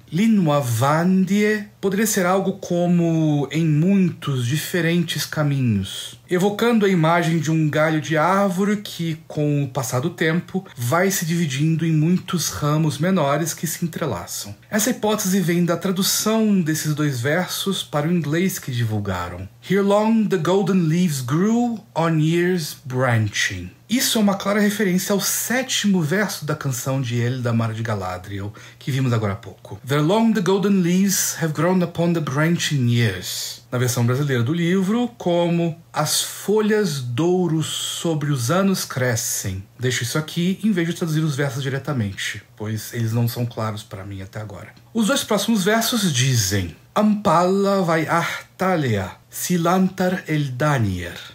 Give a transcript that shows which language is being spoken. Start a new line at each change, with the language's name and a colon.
Portuguese: Linua vandie poderia ser algo como em muitos diferentes caminhos, evocando a imagem de um galho de árvore que, com o passar do tempo, vai se dividindo em muitos ramos menores que se entrelaçam. Essa hipótese vem da tradução desses dois versos para o inglês que divulgaram.
English: Here long the golden leaves grew on years branching.
Portuguese: Isso é uma clara referência ao sétimo verso da canção de Eldamar de Galadriel, que vimos agora há pouco.
English: There long the golden leaves have grown upon the branching years.
Portuguese: Na versão brasileira do livro, como as folhas d'ouro sobre os anos crescem. Deixo isso aqui em vez de traduzir os versos diretamente, pois eles não são claros para mim até agora. Os dois próximos versos dizem
Quenya: Ampalla vai artalia, silantar eldanier.